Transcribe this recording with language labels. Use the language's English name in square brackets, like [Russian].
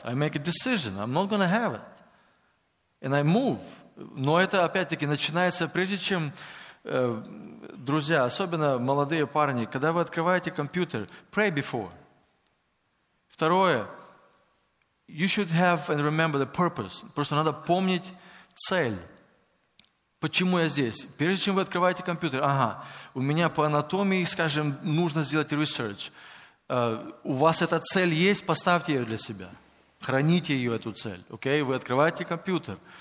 [English] I make a decision, I'm not going to have it. And I move. [Russian] Но это опять-таки начинается прежде чем... Друзья, особенно молодые парни, когда вы открываете компьютер, [English] pray before. Второе, you should have and remember the purpose. [Russian] Просто надо помнить цель. Почему я здесь? Прежде чем вы открываете компьютер, у меня по анатомии, скажем, нужно сделать research. У вас эта цель есть, поставьте ее для себя. Храните ее, эту цель. Okay? Вы открываете компьютер.